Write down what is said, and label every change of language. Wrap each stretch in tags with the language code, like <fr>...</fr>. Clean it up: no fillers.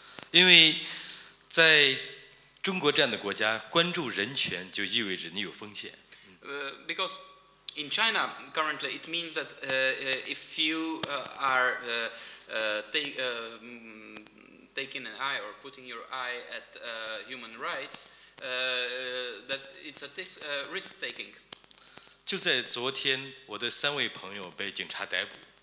<zh>因为在中国这样的国家，关注人权就意味着你有风险。</zh> <en>Because in China currently it means that if you are taking an eye or putting your eye at human rights, that it's a risk taking.</en> <zh>就在昨天，我的三位朋友被警察逮捕。</zh>